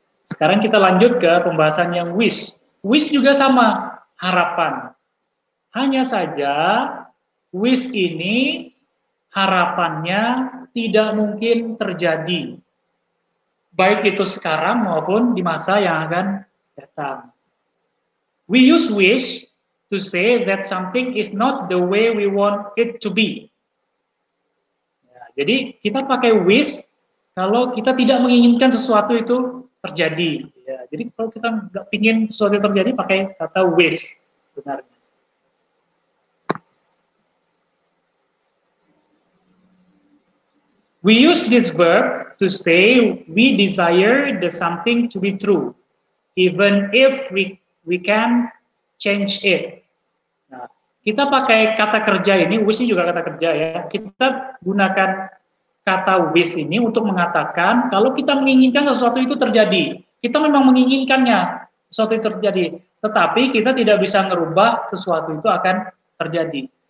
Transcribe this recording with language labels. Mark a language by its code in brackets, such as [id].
[id] Sekarang kita lanjut ke pembahasan yang wish. Wish juga sama, harapan. Hanya saja wish ini harapannya tidak mungkin terjadi. Baik itu sekarang maupun di masa yang akan datang. [en] We use wish to say that something is not the way we want it to be. [id] Ya, jadi kita pakai wish kalau kita tidak menginginkan sesuatu itu terjadi. Ya, jadi kalau kita nggak ingin sesuatu terjadi, pakai kata wish sebenarnya. [en] We use this verb to say we desire the something to be true, even if we can change it. [id] Nah, kita pakai kata kerja ini, wish ini juga kata kerja ya. Kita gunakan kata wish ini untuk mengatakan kalau kita menginginkan sesuatu itu terjadi. Kita memang menginginkannya sesuatu itu terjadi, tetapi kita tidak bisa merubah sesuatu itu akan terjadi.